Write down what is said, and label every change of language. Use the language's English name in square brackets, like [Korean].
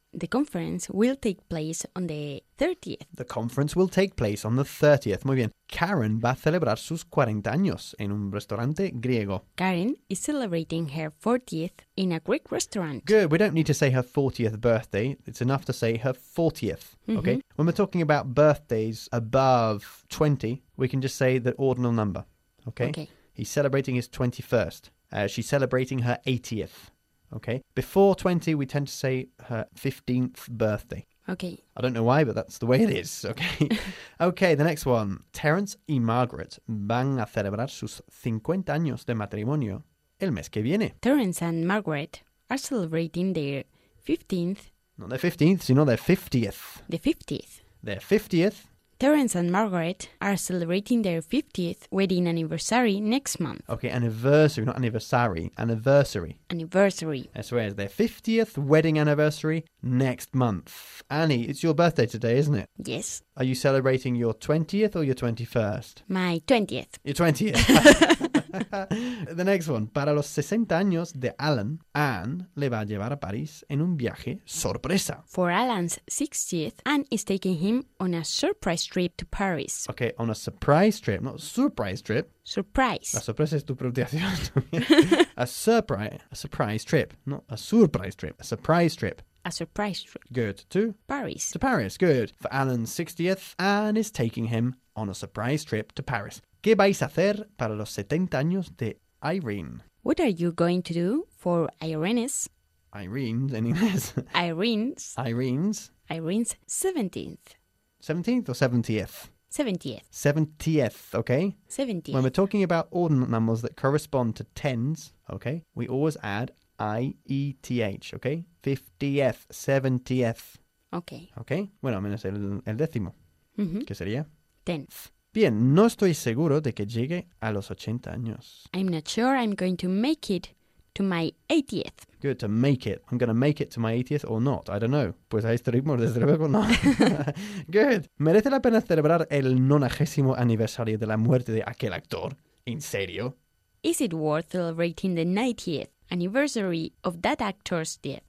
[English] The conference will take place on the 30th. The conference will take place on the 30th. [Spanish] Muy bien. Karen va a celebrar sus 40 años en un restaurante griego. [English] Karen is celebrating her 40th in a Greek restaurant. Good. We don't need to say her 40th birthday. It's enough to say her 40th. Mm-hmm. Okay. When we're talking about birthdays above 20, we can just say the ordinal number. Okay. Okay. He's celebrating his 21st. She's celebrating her 80th. Okay. Before 20, we tend to say her 15th birthday. Okay. I don't know why, but that's the way it is. Okay. Okay, the next one. [Spanish] Terence y Margaret van a celebrar sus 50 años de matrimonio el mes que viene. [English] Terence and Margaret are celebrating their 15th. Not their 15th, sino their 50th. The 50th. Their 50th. Terence and Margaret are celebrating their 50th wedding anniversary next month. Okay, anniversary, not anniversary, anniversary. Anniversary. [Spanish] Eso es, [English] their 50th wedding anniversary next month. Annie, it's your birthday today, isn't it? Yes. Are you celebrating your 20th or your 21st? My 20th. Your 20th. The next one. [Spanish] Para los 60 años de Alan, Anne le va a llevar a París en un viaje sorpresa. [English] For Alan's 60th, Anne is taking him on a surprise trip to Paris. Okay, on a surprise trip, not surprise trip. Surprise. [Spanish] La sorpresa es tu pronunciación. [English] A surprise trip, not a surprise trip. A surprise trip. A surprise trip. Good. To? Paris. To Paris, good. For Alan's 60th, Anne is taking him on a surprise trip to Paris. [Spanish] ¿Qué vais a hacer para los 70 años de Irene? [English] What are you going to do for Irene's? Irene's, in English. Irene's. Irene's. Irene's 17th. 17th or 70th? 70th. 70th, okay? 70th. When we're talking about ordinal numbers that correspond to tens, okay, we always add I-E-T-H, okay? 50th, 70th. Okay. Okay? [Spanish] Bueno, menos el décimo. Mm-hmm. ¿Qué sería? [English] Tenth. [Spanish] Bien, no estoy seguro de que llegue a los 80 años. [English] I'm not sure I'm going to make it to my 80th. Good, to make it. I'm going to make it to my 80th or not. I don't know. [Spanish] Pues a este ritmo, desde luego, no. [English] Good. [Spanish] ¿Merece la pena celebrar el 90th aniversario de la muerte de aquel actor? ¿En serio? [English] Is it worth celebrating the 90th anniversary of that actor's death?